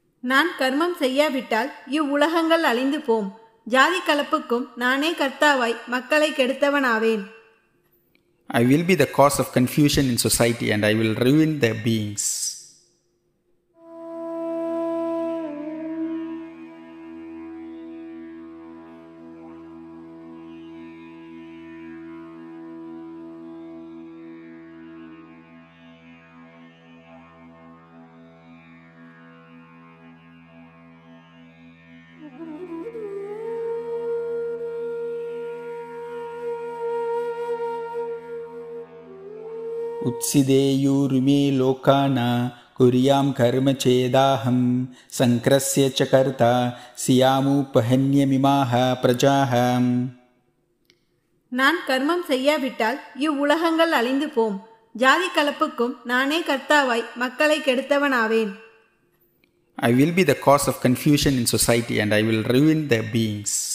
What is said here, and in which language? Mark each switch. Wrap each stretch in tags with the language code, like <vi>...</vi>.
<ta>நான் கர்மம் செய்யாவிட்டால் இவ்வுலகங்கள் அழிந்து போம். ஜாதி கலப்புக்கும் நானே கர்த்தாவாய் மக்களை கெடுத்தவனாவேன்.</ta> <en>I will be the cause of confusion in society and I will ruin the beings.</en> <sa>उत्सिदेयूर्मे लोकाना குறியாம் கர்ம சேதாஹம் சங்கரஸ்ய ச கர்த்தா சியாமுபஹன்யமிமாஹ பிரஜாஹ.</sa> <ta>நான் கர்மம் செய்யாவிட்டால் இவ்வுலகங்கள் அழிந்து போம். ஜாதி கலப்புக்கும் நானே கர்த்தாவாய் மக்களை கெடுத்தவனாவேன்.</ta> <en>I will be the cause of confusion in society and I will ruin the beings.</en>